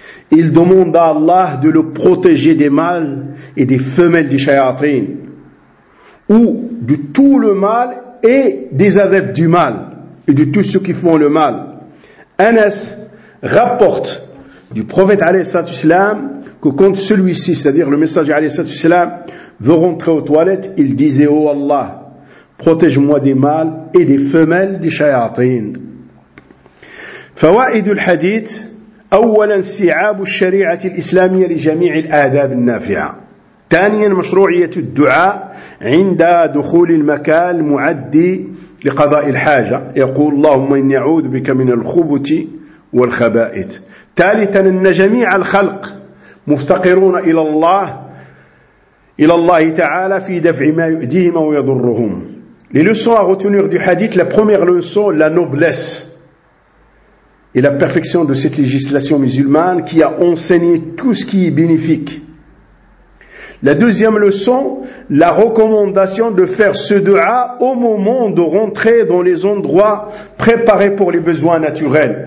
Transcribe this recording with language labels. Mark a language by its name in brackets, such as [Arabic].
[French] Il demande à Allah de le protéger des mâles et des femelles des shayatin, ou de tout le mal et des adeptes du mal et de tous ceux qui font le mal. Anas rapporte du prophète [Arabic] alayhi salatu wasalam [French] que quand celui-ci, c'est-à-dire le messager alayhi salatu wasalam, veut rentrer aux toilettes, il disait: oh Allah, protège-moi des mâles et des femelles des shayatin. [Arabic] فوائد الحديث: اولا استيعاب الشريعه الاسلاميه لجميع الاداب النافعه. ثانيا مشروعيه الدعاء عند دخول المكان المعد لقضاء الحاجه، يقول: اللهم اني اعوذ بك من الخبث والخبائث. ثالثا ان جميع الخلق مفتقرون الى الله، الى الله تعالى في دفع ما يؤذيهم ويضرهم. [French] Les leçons à retenir du hadith: la première leçon, la noblesse et la perfection de cette législation musulmane qui a enseigné tout ce qui est bénéfique. La deuxième leçon, la recommandation de faire ce dua au moment de rentrer dans les endroits préparés pour les besoins naturels.